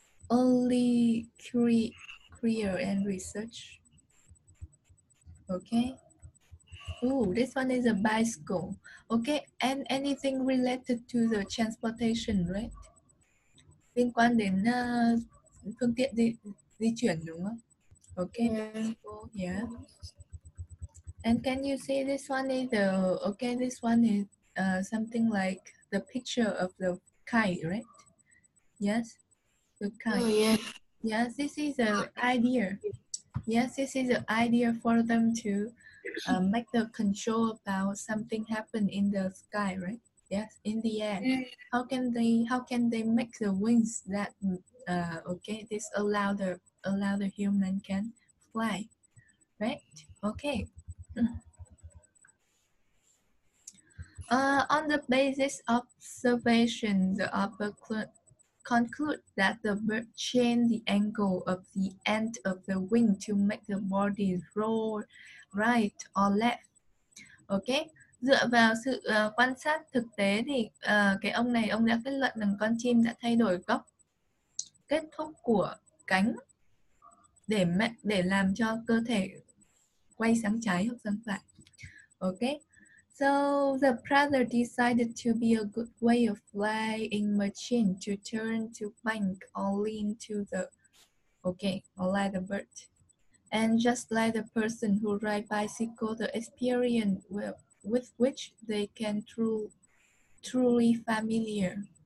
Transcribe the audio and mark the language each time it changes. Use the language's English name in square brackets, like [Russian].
[English] Only career and research. Okay. Ooh, this one is a bicycle. Okay, and anything related to the transportation, right? [Vietnamese] Liên quan đến phương tiện di chuyển đúng không? [English] Okay, yeah. And can you see this one is the, okay, this one is something like the picture of the kite, right? Yes, the kite. Oh, yeah. Yes, this is an idea. Yes, this is an idea for them to make the control about something happen in the sky, right? Yes, in the air. Yeah. How can they make the wings that, okay, this allow the human can fly, right? Okay. On the basis of observation, the author conclude that the bird change the angle of the end of the wing to make the body roll right or left. [Vietnamese] Okay, dựa vào sự quan sát thực tế thì cái ông đã kết luận rằng con chim đã thay đổi góc kết thúc của cánh để làm cho cơ thể quay sang trái hoặc sang phải. [English] Okay, so the brother decided to be a good way of flying machine to turn to bank or lean to the, okay, or like the bird. And just like the person who ride bicycle, the experience with which they can truly familiar.